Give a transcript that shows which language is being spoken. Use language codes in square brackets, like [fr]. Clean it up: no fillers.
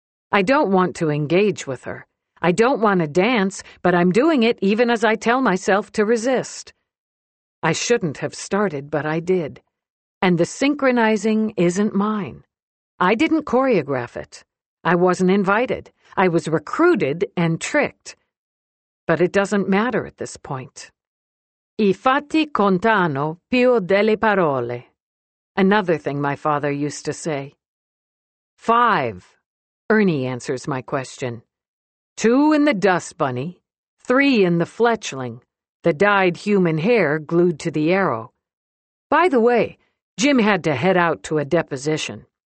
[en] I don't want to engage with her. I don't want to dance, but I'm doing it even as I tell myself to resist. I shouldn't have started, but I did. And the synchronizing isn't mine. I didn't choreograph it. I wasn't invited. I was recruited and tricked. But it doesn't matter at this point. [it] I fatti contano più delle parole. [en] Another thing my father used to say. 5. Ernie answers my question. 2 in the dust bunny, 3 in the fletchling, the dyed human hair glued to the arrow. By the way, Jim had to head out to a deposition.